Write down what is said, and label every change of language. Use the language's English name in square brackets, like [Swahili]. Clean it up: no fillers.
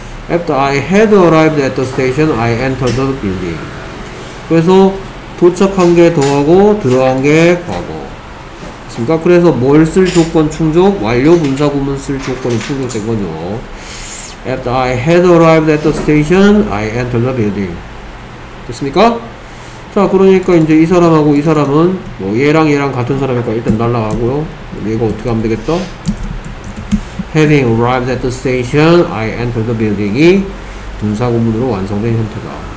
[English] after I had arrived at the station I entered the building. [Korean] 그래서 도착한 게 더하고 들어간 게 과거. 그러니까 그래서 뭘 쓸 조건 충족? 완료 분사구문 쓸 조건이 충족된 거죠. [English] After I had arrived at the station, I entered the building. [Korean] 됐습니까? 자, 그러니까 이제 이 사람하고 이 사람은 뭐 얘랑 같은 사람이니까 일단 날라가고요. 이거 어떻게 하면 되겠다? [English] Having arrived at the station, I entered the building이 [Korean] 분사구문으로 완성된 형태다.